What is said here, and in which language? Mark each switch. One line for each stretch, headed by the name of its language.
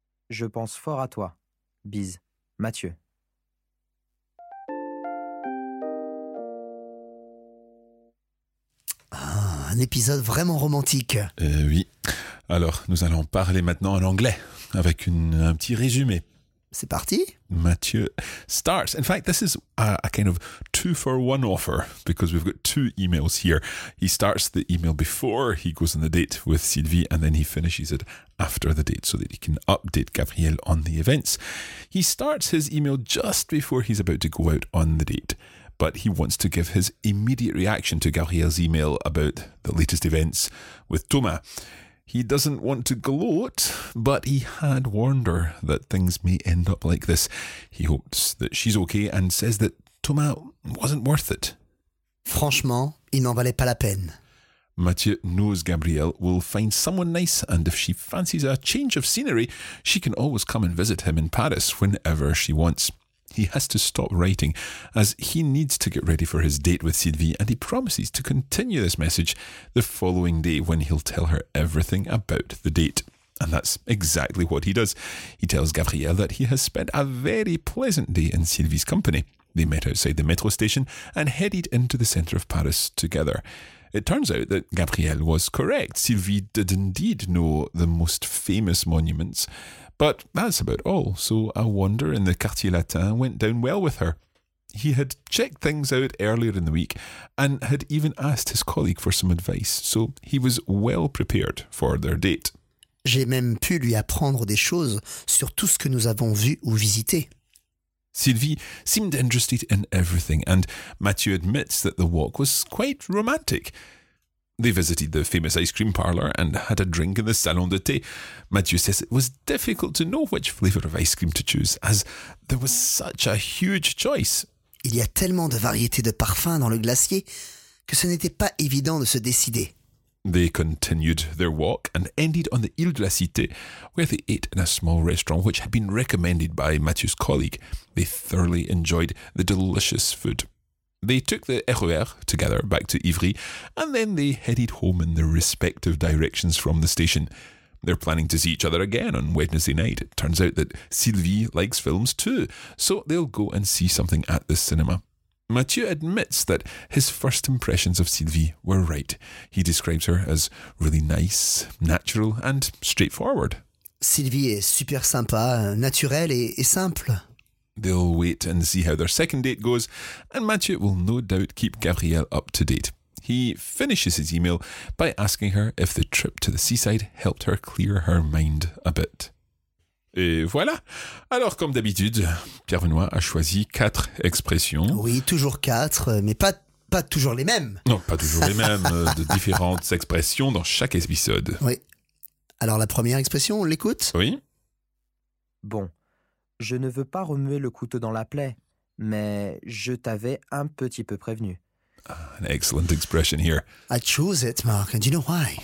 French: Je pense fort à toi. Bise, Mathieu. Un épisode vraiment romantique. Oui. Alors, nous allons parler maintenant en anglais avec un petit résumé. C'est parti.
English: Mathieu starts. In fact, this is a kind of two-for-one offer because we've got two emails here. He starts the email before he goes on the date with Sylvie and then he finishes it after the date so that he can update Gabriel on the events. He starts his email just before he's about to go out on the date. But he wants to give his immediate reaction to Gabriel's email about the latest events with Thomas. He doesn't want to gloat, but he had warned her that things may end up like this. He hopes that she's okay and says that Thomas wasn't worth it.
French: Franchement, il n'en valait pas la peine.
English: Mathieu knows Gabriel will find someone nice, and if she fancies a change of scenery, she can always come and visit him in Paris whenever she wants. He has to stop writing, as he needs to get ready for his date with Sylvie, and he promises to continue this message the following day when he'll tell her everything about the date. And that's exactly what he does. He tells Gabrielle that he has spent a very pleasant day in Sylvie's company. They met outside the metro station and headed into the centre of Paris together. It turns out that Gabrielle was correct. Sylvie did indeed know the most famous monuments. But that's about all, so a wander in the Quartier Latin went down well with her. He had checked things out earlier in the week and had even asked his colleague for some advice, so he was well prepared for their date.
French: J'ai même pu lui apprendre des choses sur tout ce que nous avons vu ou visité.
English: Sylvie seemed interested in everything, and Mathieu admits that the walk was quite romantic. They visited the famous ice cream parlour and had a drink in the Salon de Thé. Mathieu says it was difficult to know which flavour of ice cream to choose, as there was such a huge choice.
French: Il y a tellement de variétés de parfums dans le glacier que ce n'était pas évident de se décider.
English: They continued their walk and ended on the Île de la Cité, where they ate in a small restaurant which had been recommended by Mathieu's colleague. They thoroughly enjoyed the delicious food. They took the RER together back to Ivry, and then they headed home in their respective directions from the station. They're planning to see each other again on Wednesday night. It turns out that Sylvie likes films too, so they'll go and see something at the cinema. Mathieu admits that his first impressions of Sylvie were right. He describes her as really nice, natural, and straightforward.
French: Sylvie est super sympa, naturelle et simple.
English: They'll wait and see how their second date goes, and Mathieu will no doubt keep Gabrielle up to date. He finishes his email by asking her if the trip to the seaside helped her clear her mind a bit.
French: Et voilà. Alors, comme d'habitude, Pierre Benoît a choisi quatre expressions. Oui, toujours quatre, mais pas toujours les mêmes. Non, pas toujours les mêmes, de différentes expressions dans chaque épisode. Oui. Alors, la première expression, on l'écoute? Oui. Bon. Je ne veux pas remuer le couteau dans la plaie, mais je t'avais un petit peu prévenu.
English: An excellent expression here. I choose it, Mark, and do you know why?